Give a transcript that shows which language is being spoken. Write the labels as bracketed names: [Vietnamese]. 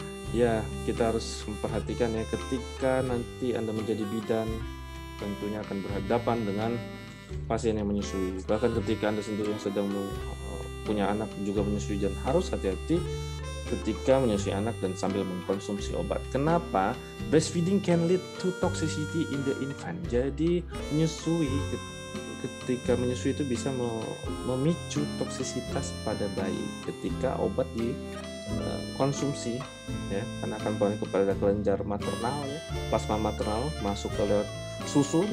[Indonesian] Ya, kita harus memperhatikan ya, ketika nanti Anda menjadi bidan, tentunya akan berhadapan dengan pasien yang menyusui. Bahkan ketika Anda sendiri yang sedang punya anak juga menyusui, dan harus hati-hati ketika menyusui anak dan sambil mengkonsumsi obat. Kenapa? [English] Breastfeeding can lead to toxicity in the infant. [Indonesian] Jadi menyusui, ketika menyusui itu bisa memicu toksisitas pada bayi ketika obat dikonsumsi ya, karena akan berpengaruh kepada kelenjar maternal ya, plasma maternal masuk ke lewat susu.